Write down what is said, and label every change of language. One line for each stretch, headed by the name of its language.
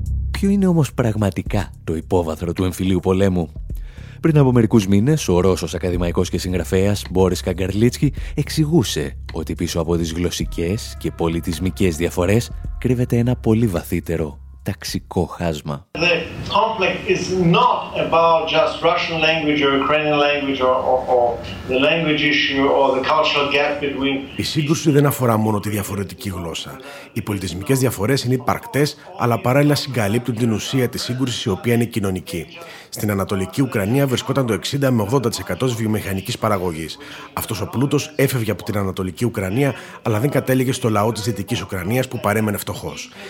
Greek: Ποιο είναι όμως πραγματικά το υπόβαθρο του εμφυλίου πολέμου? Πριν από μερικούς μήνες, ο Ρώσος ακαδημαϊκός και συγγραφέας Μπόρις Καγκαρλίτσκι εξηγούσε ότι πίσω από τις γλωσσικές και πολιτισμικές διαφορές κρύβεται ένα πολύ βαθύτερο ταξικό χάσμα.
English: The conflict is not about just Russian language or Ukrainian language or the language issue or the cultural gap between.
Greek: Η σύγκρουση δεν αφορά μόνο τη διαφορετική γλώσσα. Οι πολιτισμικές διαφορές είναι υπαρκτές, αλλά παράλληλα συγκαλύπτουν την ουσία της σύγκρουσης, η οποία είναι κοινωνική. Στην Ανατολική Ουκρανία βρισκόταν το 60 με 80% της βιομηχανικής παραγωγής. Αυτός ο πλούτος έφευγε από την Ανατολική Ουκρανία, αλλά δεν κατέληγε στο λαό της Δυτικής Ουκρανίας που παρέμενε φτωχός.